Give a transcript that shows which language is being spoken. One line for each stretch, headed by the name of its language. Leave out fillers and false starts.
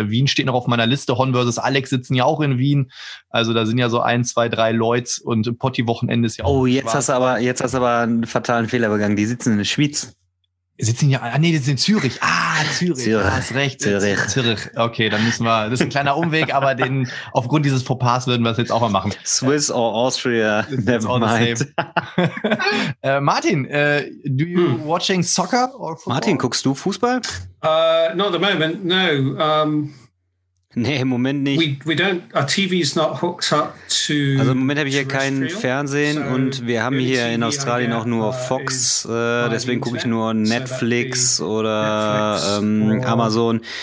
German: Wien steht noch auf meiner Liste, Hon versus Alex sitzen ja auch in Wien. Also da sind ja so 1, 2, 3 Leute und Potti-Wochenende ist ja auch. Oh, jetzt hast du aber einen fatalen Fehler begangen. Die sitzen in der Schweiz. Sitzen ja, ah nee, die sind in Zürich. Ah, Zürich. Hast recht. Zürich. Okay, dann müssen wir, das ist ein kleiner Umweg, aber den, aufgrund dieses Fauxpas würden wir es jetzt auch mal machen.
English: Swiss or Austria, never mind. Martin, do you watching soccer or football?
German: Martin, guckst du Fußball?
English: Not at the moment, no.
German: Nee, im Moment nicht.
English: We don't, our TV's not hooked up to.
German: Also im Moment habe ich hier kein Fernsehen und wir haben hier in Australien auch nur Fox, deswegen gucke ich nur Netflix oder Amazon.